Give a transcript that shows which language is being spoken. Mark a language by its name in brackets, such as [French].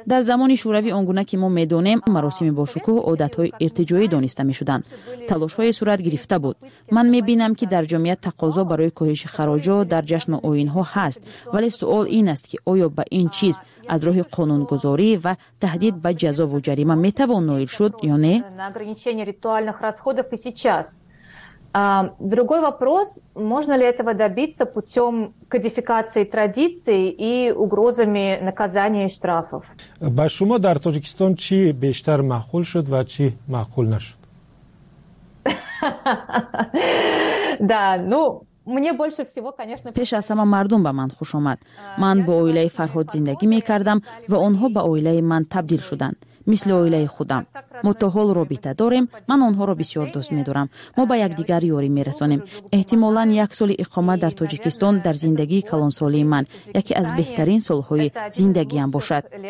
[Persian] در زمان شوروی آنگونه که ما میدونیم، مراسم باشکوه عادت های ارتجاعی دانسته میشدند. تلاش های صورت گرفته بود. من میبینم که در جامعه تقاضا برای کاهش خراج ها در جشن و آیین ها هست، ولی سوال این است که آیا به این چیز از راه قانون گذاری و تهدید به جزا و جریمه می توان نایل شد یا نه؟ [Russian] На ограничение ритуальных расходов и сейчас. Другой вопрос, можно ли этого добиться путем кодификации традиций и угрозами наказания и штрафов? [Tajik] Ба шумо дар Таҷикистон чи бештар маъқул шуд ва чи маъқул нашуд? [Russian] Да, ну мне больше всего, конечно, [Tajik] пеш а сама мардум ба ман хуш омад. Ман бо оилаи Фарҳод зиндагӣ мекардам ва онҳо ба оилаи ман табдил шуданд. [Persian] مثل اویله خودم. ما تا حال رابطه داریم. من آنها را بسیار دوست می دارم. ما با یک دیگر یاری می رسانیم. احتمالاً یک سال اقامت در تاجیکستان در زندگی کلان سالی من یکی از بهترین سالهای زندگیم باشد.